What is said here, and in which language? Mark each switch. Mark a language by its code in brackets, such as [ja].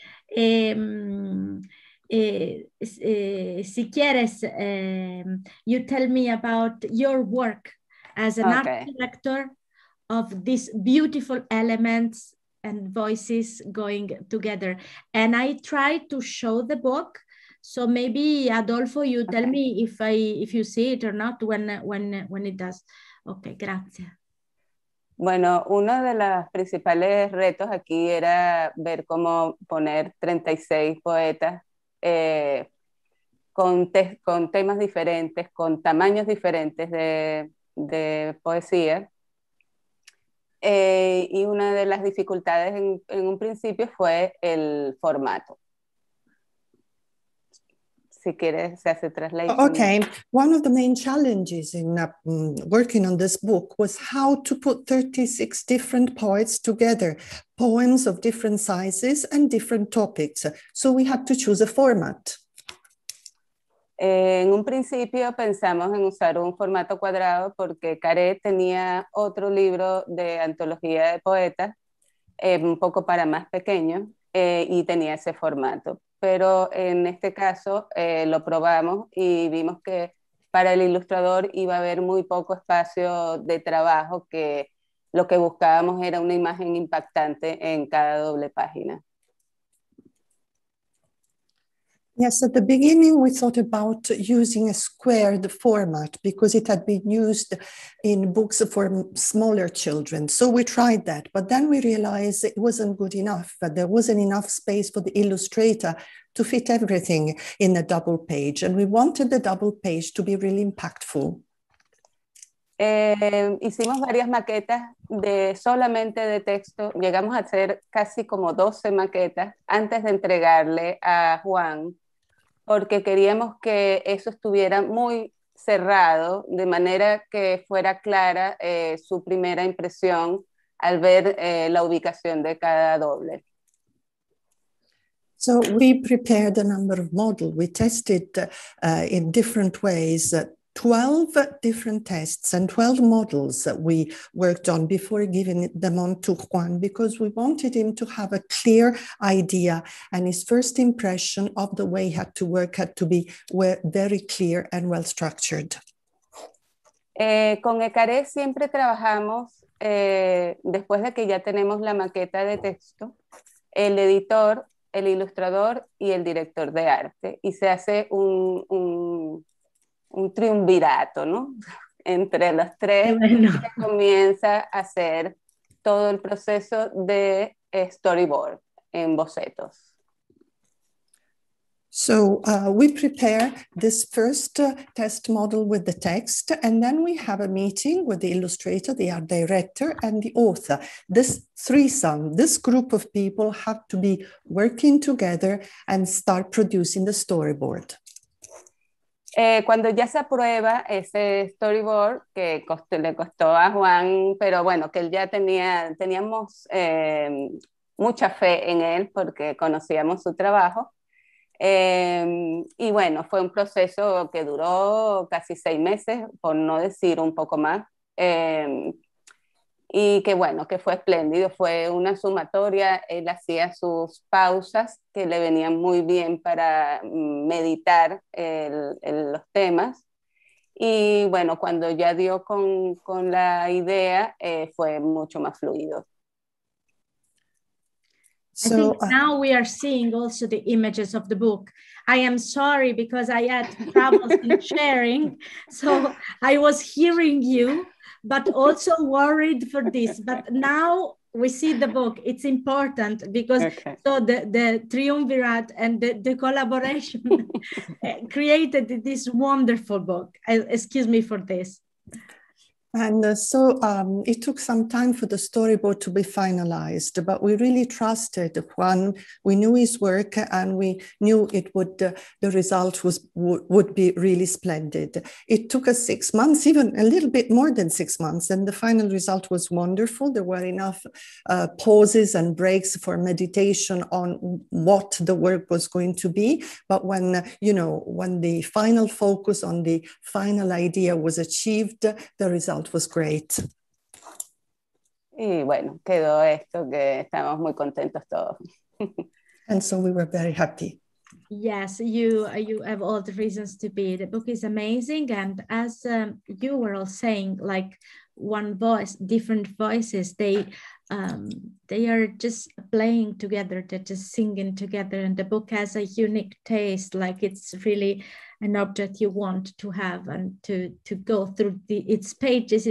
[es] Si quieres, [en] you tell me about your work as an art director of these beautiful elements and voices going together. And I try to show the book. So maybe Adolfo, you tell me if you see it or not when it does. [es] Okay, gracias. Bueno, uno de los principales retos aquí era ver cómo poner 36 poetas con temas diferentes, con tamaños diferentes de poesía. Y una de las dificultades en un principio fue el formato. [en] Okay, one of the main challenges in working on this book was how to put 36 different poets together, poems of different sizes and different topics. So we had to choose a format. [es] En un principio pensamos en usar un formato cuadrado porque Caret tenía otro libro de antología de poetas, un poco para más pequeño, y tenía ese formato. Pero en este caso lo probamos y vimos que para el ilustrador iba a haber muy poco espacio de trabajo, que lo que buscábamos era una imagen impactante en cada doble página. [en] Yes, at the beginning we thought about using a squared format because it had been used in books for smaller children. So we tried that, but then we realized it wasn't good enough, that there wasn't enough space for the illustrator to fit everything in a double page. And we wanted the double page to be really impactful. [es] Hicimos varias maquetas de solamente de texto. Llegamos a hacer casi como 12 maquetas antes de entregarle a Juan, porque queríamos que eso estuviera muy cerrado, de manera que fuera clara su primera impresión al ver la ubicación de cada doble. [en] So we prepared a number of models. We tested in different ways, 12 different tests and 12 models that we worked on before giving them on to Juan, because we wanted him to have a clear idea and his first impression of the way he had to work had to be very clear and well-structured. [es] Con Ecaré siempre trabajamos, después de que ya tenemos la maqueta de texto, el editor, el ilustrador y el director de arte, y se hace un triunvirato, ¿no? Entre los tres, bueno. Se comienza a hacer todo el proceso de storyboard en bocetos. [en] So we prepare this first test model with the text, and then we have a meeting with the illustrator, the art director, and the author. This threesome, this group of people have to be working together and start producing the storyboard. [es] Cuando ya se aprueba ese storyboard, que costó, le costó a Juan, pero bueno, que él ya tenía, teníamos mucha fe en él porque conocíamos su trabajo. Y bueno, fue un proceso que duró casi 6 meses, por no decir un poco más. Y que bueno, que fue espléndido, fue una sumatoria. Él hacía sus pausas que le venían muy bien para meditar los temas. Y bueno, cuando ya dio con la idea, fue mucho más fluido. [en] So, I think now we are seeing also the images of the book. I am sorry because I had troubles in sharing. So I was hearing you, but also worried for this. But now we see the book. It's important because okay. So the triumvirate and the collaboration created this wonderful book. Excuse me for this. And so it took some time for the storyboard to be finalized, but we really trusted Juan. We knew his work and we knew it would the result would be really splendid. It took us 6 months, even a little bit more than 6 months, and the final result was wonderful. There were enough pauses and breaks for meditation on what the work was going to be. But when, you know, when the final focus on the final idea was achieved, the result was great. [es] Y bueno, quedó esto que estamos muy contentos todos. [en] And so we were very happy. Yes, you have all the reasons to be. The book is amazing, and as you were all saying, like one voice, different voices, they are just playing together, they're just singing together, and the book has a unique taste, like it's really an object you want to have and to go through its pages.